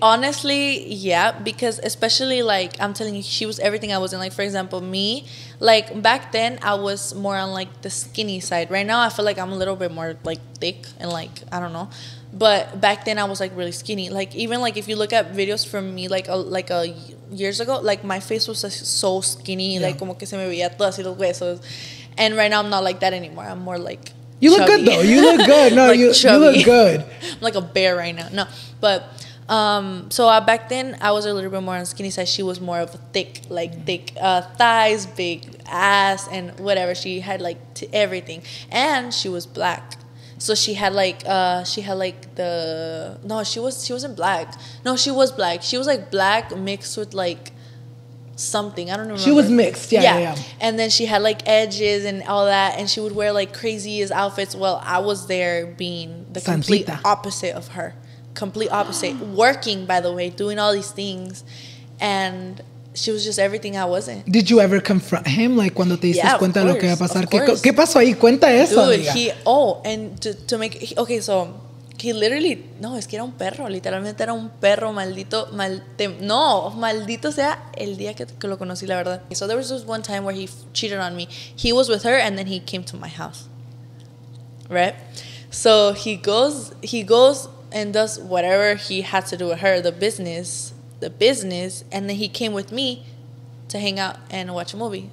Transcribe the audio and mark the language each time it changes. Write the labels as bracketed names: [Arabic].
[English] Honestly, yeah, because especially, like, I'm telling you, she was everything I was in. Like, for example, me, like, back then, I was more on, like, the skinny side. Right now, I feel like I'm a little bit more, like, thick and, like, I don't know. But back then, I was, like, really skinny. Like, even, like, if you look at videos from me, like, a years ago, like, my face was so skinny. Yeah. [Spanish] Like, como que se me veía todo así los huesos. [English] And right now, I'm not like that anymore. I'm more like You look chubby. Good, though. You look good. No, like you look good. I'm like a bear right now. No, but so back then, I was a little bit more on skinny side. She was more of a thick, like, thick thighs, big ass, and whatever. She had, like, everything. And she was black. So she had, like, she wasn't black. No, she was black. She was, like, black mixed with, like, something. I don't remember. She was mixed. Yeah, yeah. Yeah, yeah. And then she had, like, edges and all that. And she would wear, like, craziest outfits. Well, I was there being the Santita. Complete opposite of her. Complete opposite. Working, by the way, doing all these things. And she was just everything I wasn't. Did you ever confront him? [Spanish] Like, cuando te dices cuenta lo que va a pasar. ¿Qué pasó ahí? Cuenta eso, amiga. [English] Dude, he... Oh, and to make... Okay, so... He literally... [Spanish] No, es que era un perro. Literalmente era un perro maldito. No, maldito sea el día que lo conocí, la verdad. [English] So there was this one time where he cheated on me. He was with her and then he came to my house. Right? So he goes and does whatever he had to do with her. The business. And then he came with me to hang out and watch a movie.